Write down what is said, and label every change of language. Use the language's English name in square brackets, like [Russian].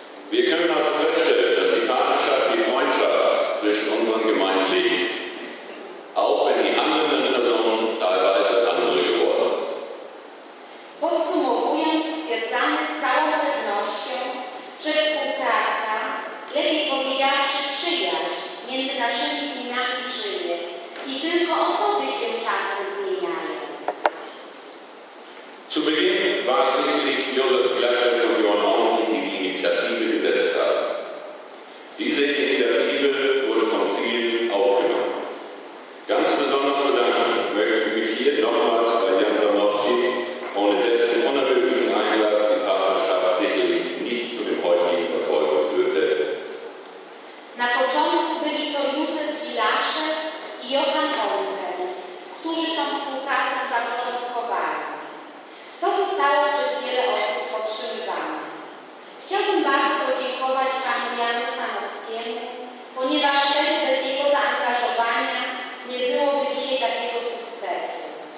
[German] Wir können aber feststellen, dass die Partnerschaft, die Freundschaft zwischen unseren Gemeinden liegt, auch wenn die anderen Personen teilweise andere geworden sind. [Polish] Podsumowując, stwierdzamy z całą pewnością, że współpraca, lepiej powiedziawszy przyjaźń, między naszymi gminami żyje i tylko osoby się czasem zmieniają. [German] Zu Beginn war es sicherlich Josef Gleschek und Johann Ormus, die die Initiative gesetzt haben. Diese Initiative wurde von vielen aufgenommen. Ganz besonders bedanken möchte ich mich hier nochmals bei Jan Samowski, ohne dessen unerhörten Einsatz die Partnerschaft sicherlich nicht zu dem heutigen Erfolg geführt hätte. [Polish] Na początku byli to Józef Gleschek i Johann Ormus, którzy tą współpracę zapoczątkowali. To zostało przez wiele osób podtrzymywane. Chciałbym bardzo podziękować panu Janu Samowskiemu, ponieważ wtedy bez jego zaangażowania nie byłoby dzisiaj takiego sukcesu.